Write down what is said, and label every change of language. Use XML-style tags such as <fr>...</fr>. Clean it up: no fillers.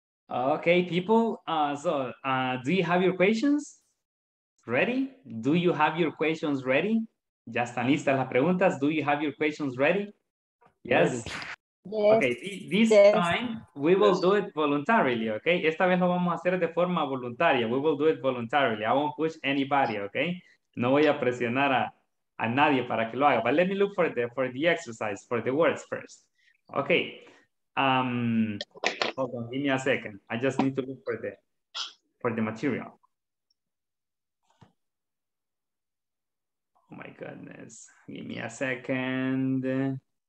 <en>Okay, people, do you have your questions ready? Do you have your questions ready?</en> <es>Ya están listas las preguntas.</es> <en>Do you have your questions ready? Yes. Okay, this time we will do it voluntarily, okay?</en> <es>Esta vez lo vamos a hacer de forma voluntaria.</es> <en>We will do it voluntarily. I won't push anybody, okay?</en> <es>No voy a presionar a nadie para que lo haga.</es> <en>But let me look for the exercise, for the words first. Okay. Hold on, give me a second. I just need to look for the material. Oh my goodness. Give me a second.</en>